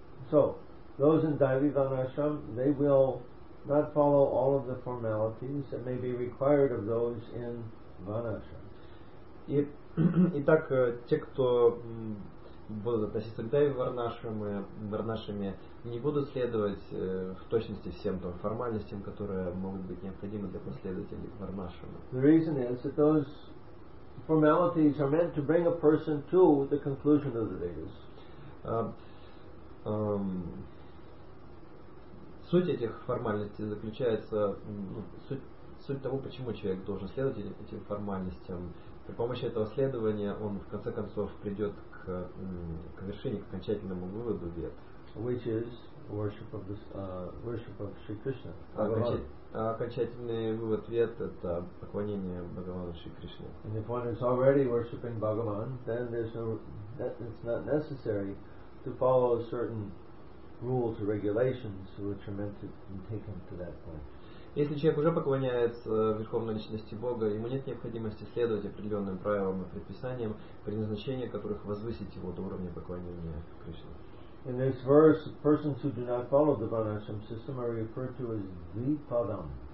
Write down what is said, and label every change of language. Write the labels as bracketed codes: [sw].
[en] So those in Dayavi Varnashram, they will not follow all of the formalities that may be required of those in Varnashram. [ru] Итак, те, кто будут относиться к Дайви Варнашраме, не будут следовать в точности всем там формальностям, которые могут быть необходимы для последователей Варнашрама. [en] The reason is that those formalities are meant to bring a person to the conclusion of the Vedas. [ru] Суть этих формальностей заключается, суть того, почему человек должен следовать этим формальностям. При помощи этого следования он в конце концов придет к вершине, к окончательному выводу вет. [en] Which is worship of worship of Shri Krishna. [ru] Окончательный вывод вет — это поклонение Бхагавану Шри Кришне. [en] And if one is already worshiping Bhagavan, then it's not necessary to follow certain rules or regulations which are meant to take him to that point. [ru] Если человек уже поклоняется Верховной Личности Бога, ему нет необходимости следовать определенным правилам и предписаниям, предназначение которых возвысить его до уровня поклонения Кришне. [en] In this verse, persons who do not follow the Varnashram system are referred to as Dvipadam.